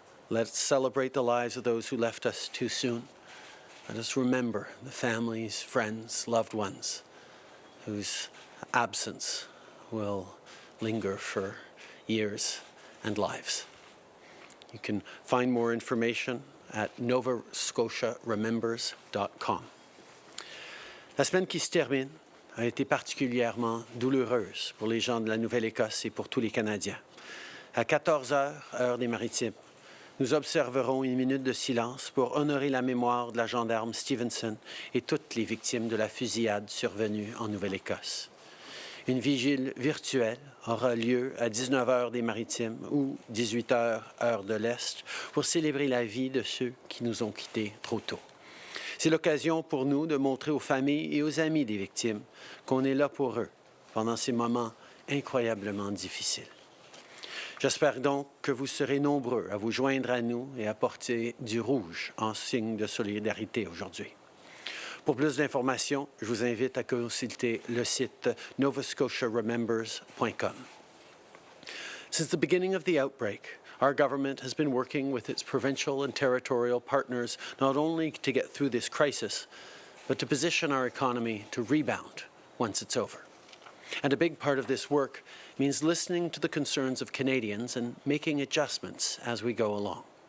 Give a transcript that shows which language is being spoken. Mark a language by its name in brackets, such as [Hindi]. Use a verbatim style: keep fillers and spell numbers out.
[English] Let's celebrate the lives of those who left us too soon. Let us remember the families, friends, loved ones whose absence will linger for years and lives. You can find more information at nova scotia remembers dot com. [French] La semaine qui se termine a été particulièrement douloureuse pour les gens de la Nouvelle-Écosse et pour tous les Canadiens. À quatorze heures, heure des Maritimes, nous observerons une minute de silence pour honorer la mémoire de la gendarme Stevenson et toutes les victimes de la fusillade survenue en Nouvelle-Écosse. Une vigile virtuelle aura lieu à dix-neuf heures des Maritimes ou dix-huit heures heure de l'Est pour célébrer la vie de ceux qui nous ont quittés trop tôt. C'est l'occasion pour nous de montrer aux familles et aux amis des victimes qu'on est là pour eux pendant ces moments incroyablement difficiles. J'espère donc que vous serez nombreux à vous joindre à nous et à porter du rouge en signe de solidarité aujourd'hui. Pour plus d'informations, je vous invite à consulter le site nova scotia remembers dot com. [English] Since the beginning of the outbreak, our government has been working with its provincial and territorial partners not only to get through this crisis, but to position our economy to rebound once it's over. And a big part of this work means listening to the concerns of Canadians and making adjustments as we go along.